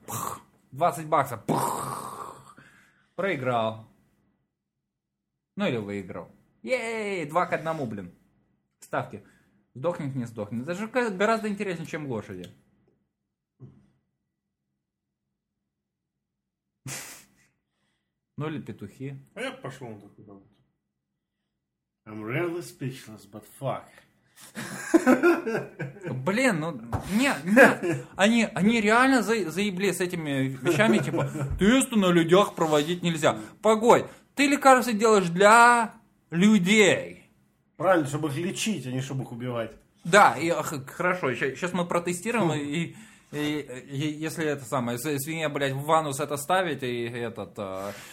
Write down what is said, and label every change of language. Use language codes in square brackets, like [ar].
[ru] Пух, 20 баксов. Пух, проиграл. Ну или выиграл. Ей, 2-1, блин. Ставки. Сдохнет, не сдохнет. Это же гораздо интереснее, чем лошади. Ну или петухи. А я пошел на такой работу. [en] I'm really speechless, but fuck. [ru] Блин, ну, они реально заебли с этими вещами, типа, тесты на людях проводить нельзя. Погодь, ты лекарства делаешь для людей. Правильно, чтобы их лечить, а не чтобы их убивать. Да, и, хорошо, сейчас мы протестируем, и если это самое, свинья, блядь, в ванус это ставить, и этот...